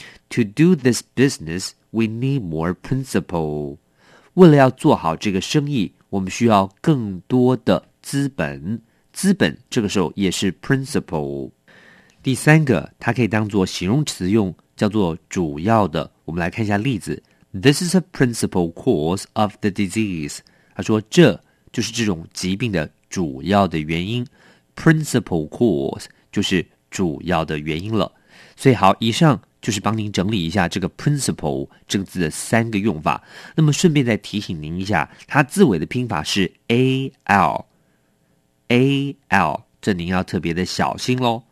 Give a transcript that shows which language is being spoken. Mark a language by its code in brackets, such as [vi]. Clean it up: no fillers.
[en] To do this business we need more principal。 [zh] 为了要做好这个生意，我们需要更多的资本。资本这个时候也是 principal。第三个，它可以当作形容词用，叫做主要的。我们来看一下例子。 [en] This is a principal cause of the disease。 [zh] 他说这就是这种疾病的主要的原因。 [en] Principal cause [zh] 就是主要的原因了。所以好，以上就是帮您整理一下这个 principal 这个字的三个用法。那么顺便再提醒您一下，它字尾的拼法是 AL AL， 这您要特别的小心咯。